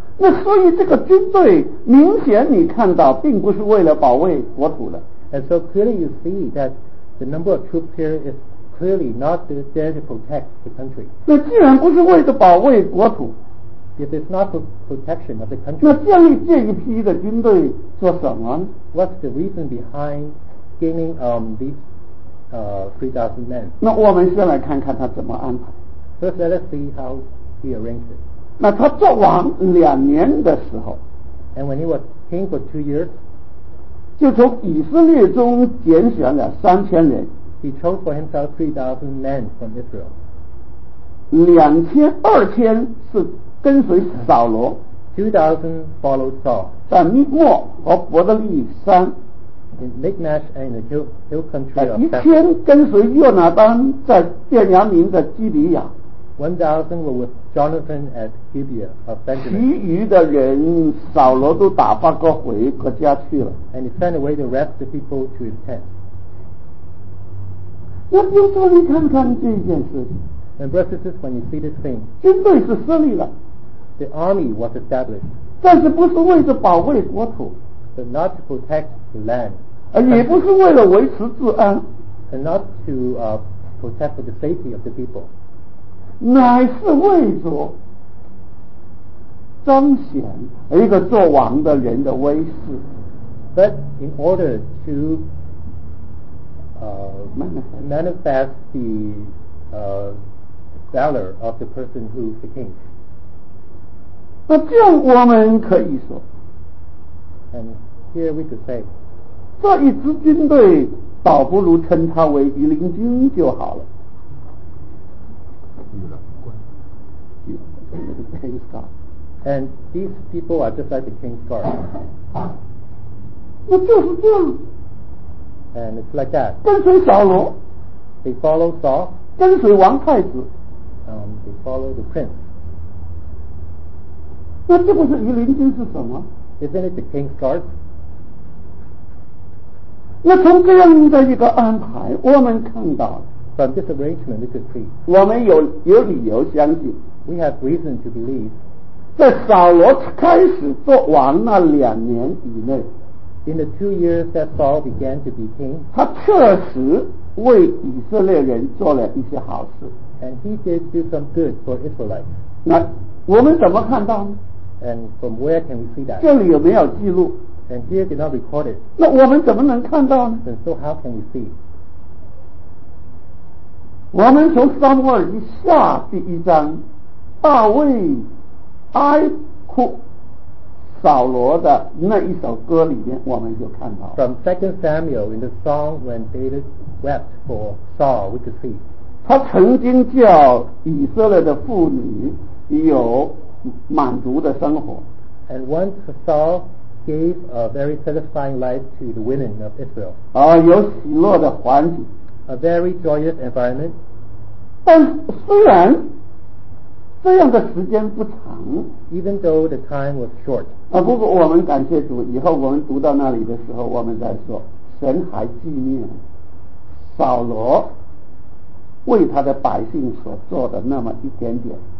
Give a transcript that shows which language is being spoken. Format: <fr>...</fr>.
<zh>那所以这个军队明显你看到并不是为了保卫国土的</zh> <en>And so clearly you see that the number of troops here is clearly not there to protect the country</en> <zh>那既然不是为了保卫国土</zh> <en>If it's not for protection of the country</en> <zh>那建立这一批的军队做什么</zh> <en>What's the reason behind gaining these 3,000 men?</en> <zh>那我们先来看看他怎么安排。</zh> <en>First, let us see how he arranged it.</en> <zh>那他做王两年的时候</zh> <en>And when he was king for 2 years,</en> <zh>就从以色列中拣选了3000人</zh> <en>He chose for himself 3,000 men from Israel.</en> <zh>2000是跟随扫罗。</zh> <en>2000 followed Saul.</en> <zh>在密莫和伯特利山</zh> <en>in Michmash and the hill country of</en> <zh>1000跟随约拿丹在便雅悯的基比亚</zh> <en>1000 were with Jonathan at Gibeah of Benjamin.</en> <zh>其余的人扫罗都打发过回各家去了</zh> <en>and he sent away the rest of the people to his tent.</en> <zh>那弟兄们看看这件事</zh> <en>and brothers, when you see this thing,</en> <zh>军队是设立了</zh> <en>The army was established.</en> <zh>但是不是为了保卫国土</zh> <en>but not to protect the land.</en> <zh>也不是为了维持治安</zh> <en>and not to protect for the safety of the people.</en> <zh>乃是为着彰显一个做王的人的威势。</zh> <en>But in order to manifest the valor of the person who's the king.</en> <zh>那这样我们可以说。</zh> <en>And here we could say,</en> <zh>这一支军队倒不如称他为御林军就好了。御林军。</zh> <en>And these people are just like the king's guard.</en> <zh>那就是这样。</zh> <en>And it's like that.</en> <zh>跟随扫罗。</zh> <en>They follow Saul.</en> <zh>跟随王太子。</zh> <en>They follow the prince.</en> <zh>那这不是御林军是什么？</zh> <en>Isn't it the king's guard?</en> <zh>那从这样的一个安排，我们看到</zh> <en>from this arrangement, we could see</en> <zh>我们有理由相信</zh> <en>we have reason to believe</en> <zh>在扫罗开始做王那两年以内</zh> <en>in the 2 years that Saul began to be king</en> <zh>他确实为以色列人做了一些好事</zh> <en>and he did do some good for Israelites</en> <zh>那我们怎么看到呢？</zh> <en>And from where can we see that?</en> <zh>这里有没有记录？</zh> <en>And here did not record it.</en> <zh>那我们怎么能看到呢？</zh> <en>And so how can we see?</en> <zh>我们从撒母耳记下第一章，大卫哀哭扫罗的那一首歌里面，我们就看到。</zh> <en>From 2 Samuel in the song when David wept for Saul, we could see.</en> <zh>他曾经叫以色列的妇女有满足的生活</zh> <en>and once Saul gave a very satisfying life to the women of Israel</en> <zh>啊，有喜乐的环境</zh> <en>a very joyous environment</en> <zh>但虽然这样的时间不长</zh> <en>even though the time was short</en> <zh>啊，不过我们感谢主以后我们读到那里的时候我们再说神还纪念扫罗为他的百姓所做的那么一点点</zh>